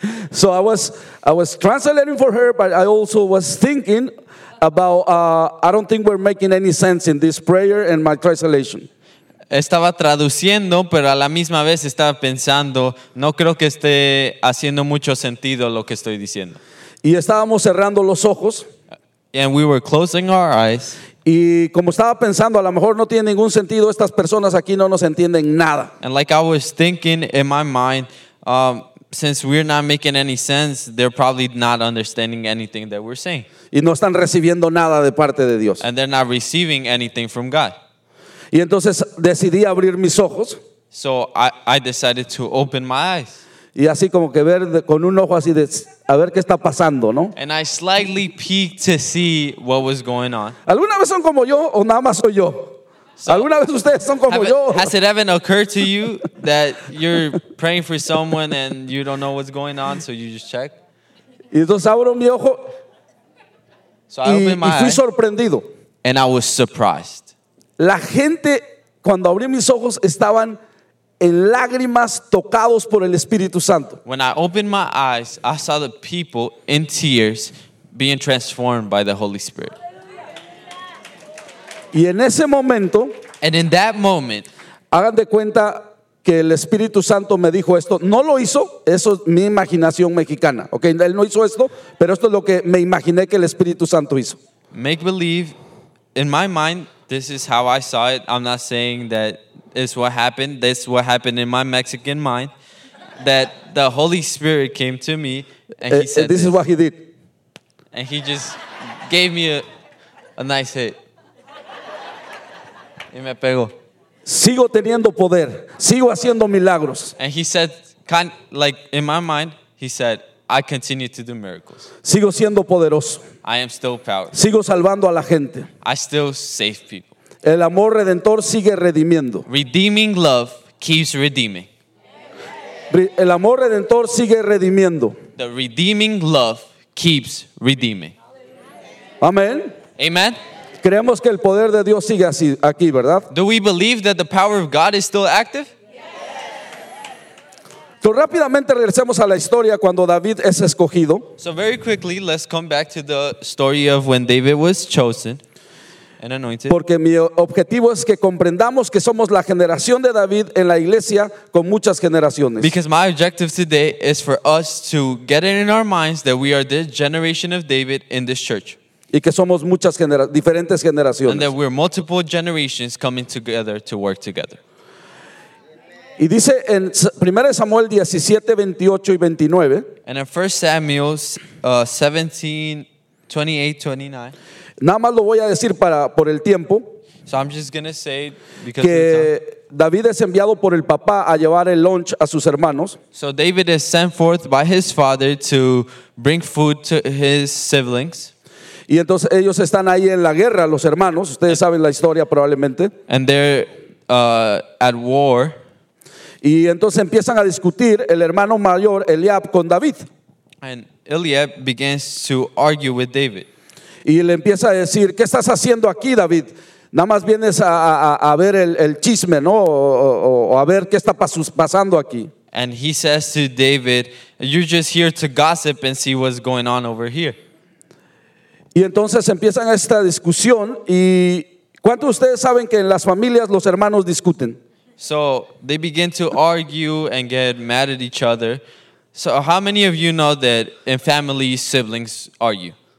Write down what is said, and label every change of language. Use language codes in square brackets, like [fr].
[en] So I was translating for her, but I also was thinking about I don't think we're making any sense in this prayer and my translation. [es] Estaba traduciendo, pero a la misma vez estaba pensando, no creo que esté haciendo mucho sentido lo que estoy diciendo. Y estábamos cerrando los ojos. [en] And we were closing our eyes. [es] Y como estaba pensando, a lo mejor no tiene ningún sentido, estas personas aquí no nos entienden nada. [en] And like I was thinking in my mind, since we're not making any sense, they're probably not understanding anything that we're saying. [es] Y no están recibiendo nada de parte de Dios. [en] And they're not receiving anything from God. [es] Y entonces decidí abrir mis ojos. [en] So I decided to open my eyes. [es] Y así como que ver con un ojo así de a ver qué está pasando, ¿no? [en] And I slightly peeked to see what was going on. [es] ¿Alguna vez son como yo o nada más soy yo? So, ¿alguna vez ustedes son como yo? [en] Has it ever occurred to you that you're praying for someone and you don't know what's going on, so you just check? [es] Y entonces abro mi ojo. [en] So I opened my eye. [es] Y fui sorprendido. [en] And I was surprised. [es] La gente, cuando abrí mis ojos, estaban en lágrimas tocados por el Espíritu Santo. [en] When I opened my eyes, I saw the people in tears being transformed by the Holy Spirit. [es] Y en ese momento, [en] and in that moment, [es] hagan de cuenta que el Espíritu Santo me dijo esto. No lo hizo, eso es mi imaginación mexicana. Okay, él no hizo esto, pero esto es lo que me imaginé que el Espíritu Santo hizo. [en] Make believe, in my mind, this is how I saw it. I'm not saying that is what happened. This is what happened in my Mexican mind. That the Holy Spirit came to me and he said, this is what he did. And he just gave me a nice hit. [es] Y me pegó. Sigo teniendo poder. Sigo haciendo milagros. [en] And he said, kind like in my mind, he said, I continue to do miracles. [es] Sigo siendo poderoso. [en] I am still powerful. [es] Sigo salvando a la gente. [en] I still save people. [es] El amor redentor sigue redimiendo. [en] Redeeming love keeps redeeming. [es] El amor redentor sigue redimiendo. [en] The redeeming love keeps redeeming. [es] Amen. [en] Amen. [es] Creemos que el poder de Dios sigue así aquí, ¿verdad? [en] Do we believe that the power of God is still active? [es] Entonces, rápidamente regresemos a la historia cuando David es escogido. [en] So very quickly, let's come back to the story of when David was chosen and anointed. [es] Porque mi objetivo es que comprendamos que somos la generación de David en la iglesia con muchas generaciones. [en] Because my objective today is for us to get it in our minds that we are the generation of David in this church. [es] Y que somos muchas diferentes generaciones. [en] And that we're multiple generations coming together to work together. [es] Y dice en 1 Samuel 17, 28 y 29. [en] And in 1 Samuel 17, 28, 29. [es] Nada más lo voy a decir por el tiempo. [en] So I'm just going to say. [es] Que David es enviado por el papá a llevar el lunch a sus hermanos. [en] So David is sent forth by his father to bring food to his siblings. [es] Y entonces ellos están ahí en la guerra, los hermanos. Ustedes saben la historia probablemente. [en] And they're at war. [es] Y entonces empiezan a discutir el hermano mayor Eliab con David. [en] And Eliab begins to argue with David. [es] Y le empieza a decir, ¿qué estás haciendo aquí, David? Nada más vienes a ver el chisme, ¿no? O a ver qué está pasando aquí. [en] And he says to David, you're just here to gossip and see what's going on over here. [es] Y entonces empiezan esta discusión. ¿Y cuántos de ustedes saben que en las familias los hermanos discuten? [en] So they begin to argue and get mad at each other. So how many of you know that in family siblings argue?